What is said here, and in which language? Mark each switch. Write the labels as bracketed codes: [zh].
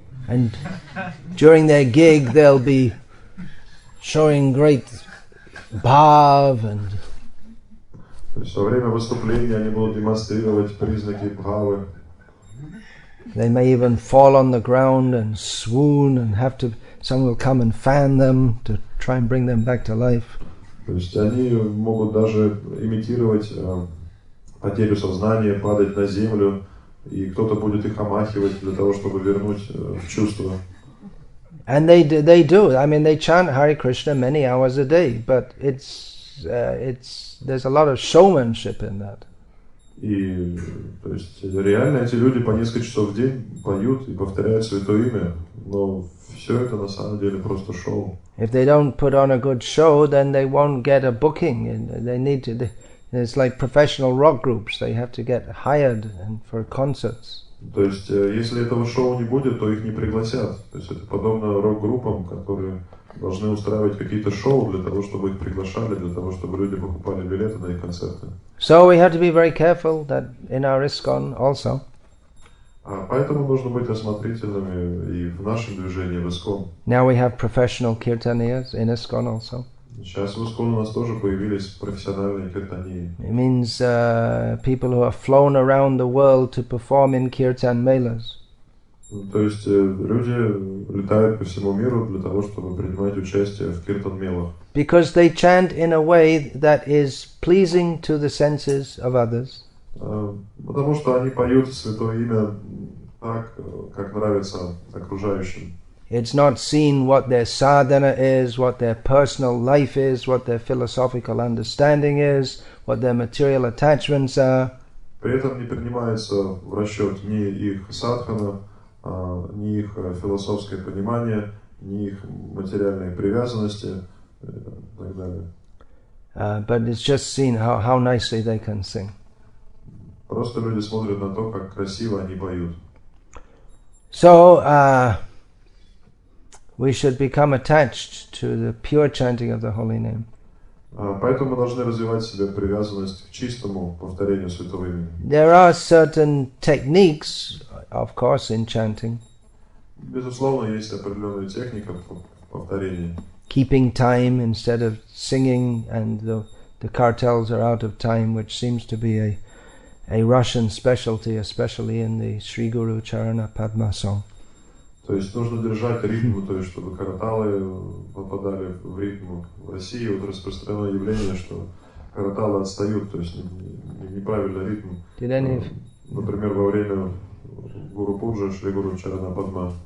[en] And during their gig they'll be showing great bhav and... [ru] То есть во время выступления они будут демонстрировать признаки бхавы. [en] They may even fall on the ground and swoon and have to... Someone will come and fan them to try and bring them back to life. [ru] То есть они могут даже имитировать потерю сознания, падать на землю, и кто-то будет их омахивать для того, чтобы вернуть в чувство. [en] And they do. I mean, they chant Hare Krishna many hours a day, but it's there's a lot of showmanship in that. [ru] И, то есть, реально эти люди по несколько часов в день поют и повторяют святое имя, но все это на самом деле просто шоу. [en] If they don't put on a good show, then they won't get a booking. It's like professional rock groups. They have to get hired for concerts. [ru] То есть, если этого шоу не будет, то их не пригласят. То есть, это подобно рок-группам, которые должны устраивать какие-то шоу для того, чтобы их приглашали, для того, чтобы люди покупали билеты на их концерты. [en] So we have to be very careful that in our ISKCON also. [ru] Поэтому нужно быть осмотрительными и в нашем движении в ISKCON. [en] Now we have professional kirtaniyas in ISKCON also. [ru] Сейчас в ISKCON у нас тоже появились профессиональные киртании. [en] It means people who have flown around the world to perform in kirtan melas. [ru] То есть люди летают по всему миру для того, чтобы принимать участие в киртан-мелах. [en] Because they chant in a way that is pleasing to the senses of others. [ru] Потому что они поют святое имя так, как нравится окружающим. [en] It's not seen what their sadhana is, what their personal life is, what their philosophical understanding is, what their material attachments are. [ru] При этом не принимается в расчет ни их садхана, ни их философское понимание, ни их материальные привязанности и так далее. [en] But it's just seen how nicely they can sing. [ru] Просто люди смотрят на то, как красиво они поют. [en] So we should become attached to the pure chanting of the holy name. [ru] Поэтому мы должны развивать в себе привязанность к чистому повторению святого имени. [en] There are certain techniques, of course, in chanting. [ru] Безусловно, есть определенная техника повторения. [en] Keeping time instead of singing, and the cartels are out of time, which seems to be a Russian specialty, especially in the Sri Guru Charana Padma song. [ru] То есть нужно держать ритм, то есть чтобы караталы попадали в ритм. В России вот распространено явление, что караталы отстают, то есть неправильный ритм. Например, во время Гуру Пуджа шли Гуру Чарана Падма.